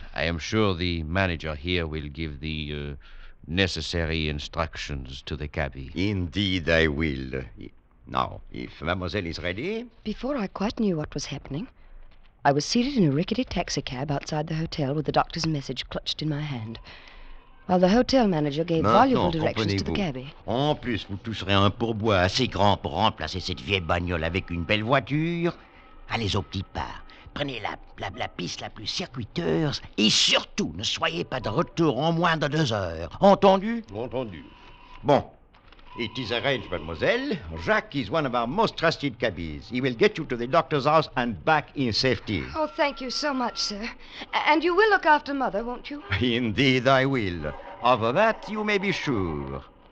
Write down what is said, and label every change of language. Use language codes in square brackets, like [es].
[en] I am sure the manager here will give the necessary instructions to the cabbie. Indeed, I will. Now, if mademoiselle is ready... Before I quite knew what was happening, I was seated in a rickety taxicab outside the hotel with the doctor's message clutched in my hand. While the hotel manager gave voluble directions to the cabbie. [fr] En plus, vous toucherez un pourboire assez grand pour remplacer cette vieille bagnole avec une belle voiture. Allez au petit pas. Prenez la piste la plus circuiteuse et surtout ne soyez pas de retour en moins de 2 heures. Entendu? Entendu. Bon, [en] it is arranged, mademoiselle. Jacques is one of our most trusted cabbies. He will get you to the doctor's house and back in safety. Oh, thank you so much, sir. And you will look after mother, won't you? Indeed, I will. Of that, you may be sure.